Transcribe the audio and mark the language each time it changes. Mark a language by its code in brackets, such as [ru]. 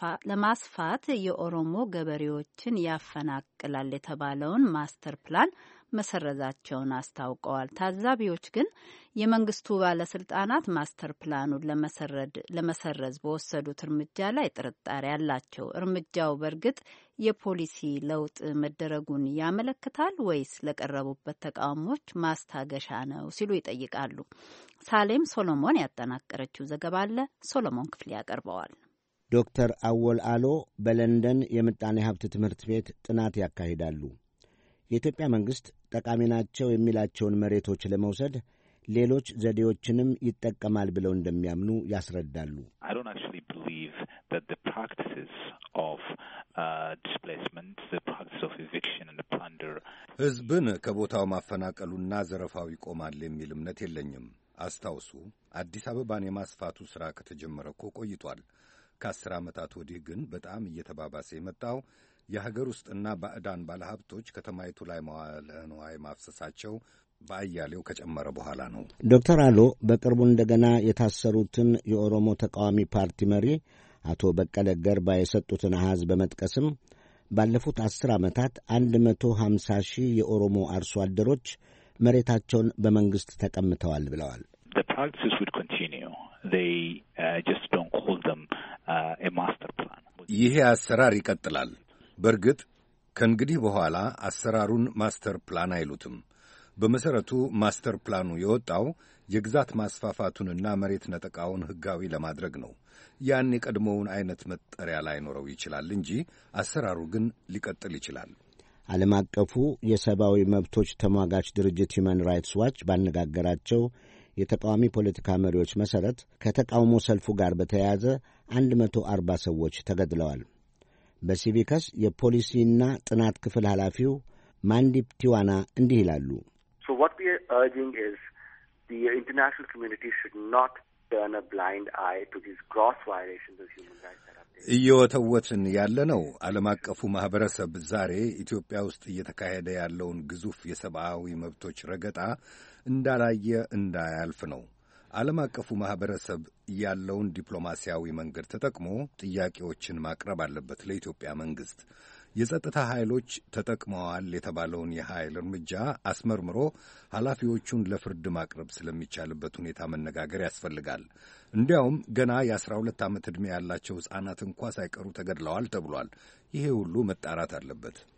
[am] ለማስፋት የኦሮሞ ገበሬዎችን ያፈናቅላል የተባለውን ማስተር ፕላን መሰረዛቸውን አስታውቀዋል። ታዛቢዎች ግን የመንግስቱ ባለስልጣናት ማስተር ፕላኑን ለመሰረዝ በወሰዱት እርምጃ ላይ ጥርጣሬ አላቸው። እርምጃው በእርግጥ የፖሊሲ ለውጥ መደረጉን ያመለክታል ወይስ ለቀረቡበት ተቃውሞች ማስታገሻ ነው ሲሉ ይጠይቃሉ። ሳሌም ሶሎሞን ያጠናቀረችው ዘገባ አለ፣ ሶሎሞን ክፍሌ ያቀርበዋል። ዶክተር አወል አሎ በለንደን የምጣኔ ሀብት ትምህርት ቤት ጥናት ያካሂዳሉ። የኢትዮጵያ መንግስት ጠቃሚ ናቸው የሚላቸውን መሬቶች ለመውሰድ ሌሎች ዘዴዎችንም ይጠቀማል ብለው እንደሚያምኑ ያስረዳሉ። [en] I don't actually believe that the practices of displacement, the practices of eviction and the plunder [am] ህዝብን ከቦታው ማፈናቀሉና ዘረፋው ይቆማል የሚል እምነት የለኝም። አስተውሱ አዲስ አበባን የማስፋቱ ስራ ከተጀመረ ቆይቷል። ከአስር አመታት ወዲህ ግን በጣም እየተባባሰ የመጣው የሀገር ውስጥና ባዕዳን ባለሀብቶች ከተማይቱ ላይ መዋለንዋይ ማፍሰሳቸው ባያሌው ከጨመረ በኋላ ነው። ዶክተር አሎ በቅርቡ እንደገና የታሰሩትን የኦሮሞ ተቃዋሚ ፓርቲ መሪ አቶ በቀለ ገርባ የሰጡትን አሃዝ በመጥቀስም ባለፉት 10 አመታት 150 ሺህ የኦሮሞ አርሶ አደሮች መሬታቸውን በመንግስት ተቀምተዋል ብለዋል። [en] The practices would continue. They just don't call them a master plan. [am] ይሄ አሰራር ይቀጥላል። በርግጥ ከንግዲህ በኋላ አሰራሩን ማስተር ፕላን አይሉትም። በመሰረቱ ማስተር ፕላኑ የወጣው የግዛት ማስፋፋቱንና መሬት ነጠቃውን ህጋዊ ለማድረግ ነው። ያን የቀድሞውን አይነት መጠሪያ ላይኖረው ይችላል እንጂ አሰራሩ ግን ሊቀጥል ይችላል። ዓለም አቀፉ የሰብአዊ መብቶች ተሟጋች ድርጅት ሂዩማን ራይትስ ዋች ባነጋገራቸው የተቃዋሚ ፖለቲካ መሪዎች መሰረት ከተቃውሞ ሰልፉ ጋር በተያያዘ 140 ሰዎች ተገድለዋል። በሲቪከስ የፖሊሲና ጥናት ክፍል ኃላፊው ማንዲፕ ቲዋና እንዲህ ይላሉ። [en] So what we are urging is the international community should not turn a blind eye to these gross violations of human rights. [am] እየወተወትን ያለነው ዓለም አቀፉ ማህበረሰብ ዛሬ ኢትዮጵያ ውስጥ እየተካሄደ ያለውን ግዙፍ የሰብአዊ መብቶች ረገጣ እንዳላየ እንዳያልፍ ነው። ዓለም አቀፉ ማህበረሰብ ያለውን ዲፕሎማሲያዊ መንገድ ተጠቅሞ ጥያቄዎችን ማቅረብ አለበት ለኢትዮጵያ መንግስት። የጸጥታ ኃይሎች ተጠቅመዋል የተባለውን የኃይል እርምጃ አስመርምሮ ኃላፊዎቹን ለፍርድ ማቅረብ ስለሚቻልበት ሁኔታ መነጋገር ያስፈልጋል። እንዲያውም ገና የ12 ዓመት ዕድሜ ያላቸው ሕፃናት እንኳ ሳይቀሩ ተገድለዋል ተብሏል። ይሄ ሁሉ መጣራት አለበት።